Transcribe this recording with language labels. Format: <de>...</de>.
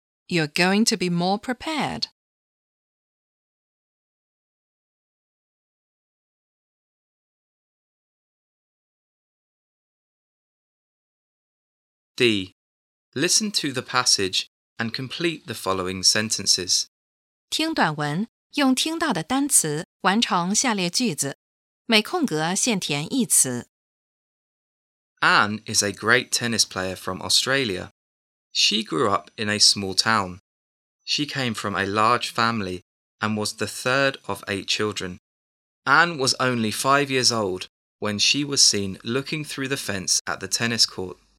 <en>You're going to be more prepared. D. Listen to the passage and complete the following sentences.</en> <zh>听短文，用听到的单词完成下列句子，每空格限填一词。</zh> <en>Anne is a great tennis player from Australia. She grew up in a small town. She came from a large family and was the 3rd of 8 children. Anne was only 5 years old when she was seen looking through the fence at the tennis court.</en>